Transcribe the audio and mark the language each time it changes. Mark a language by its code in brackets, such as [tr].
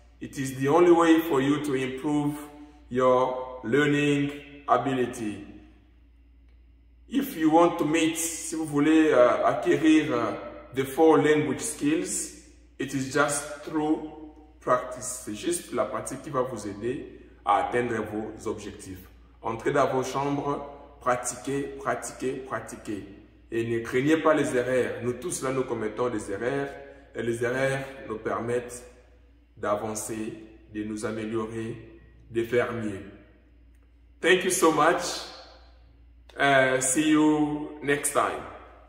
[en] It is the only way for you to improve your learning ability. If you want to meet, [fr] si vous voulez acquérir [en] the four language skills, it is just through practice. [fr] C'est juste la pratique qui va vous aider à atteindre vos objectifs. Entrez dans vos chambres, pratiquez, pratiquez, pratiquez. Et ne craignez pas les erreurs. Nous tous là, nous commettons des erreurs. Et les erreurs nous permettent d'avancer, de nous améliorer, de faire mieux. [en] Thank you so much. See you next time.